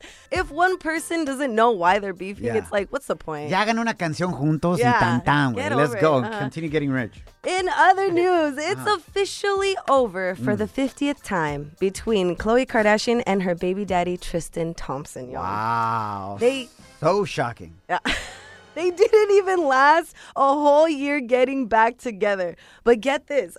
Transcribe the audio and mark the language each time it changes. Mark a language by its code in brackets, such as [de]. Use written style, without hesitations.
[en] If one person doesn't know why they're beefing, it's like, what's the point? [es] Ya hagan una canción juntos y tan tan. [en] Let's go. Continue getting rich. In other news, it's officially over for the 50th time between Khloe Kardashian and her baby daddy, Tristan Thompson, y'all. Wow. They, so shocking. Yeah. They didn't even last a whole year getting back together. But get this.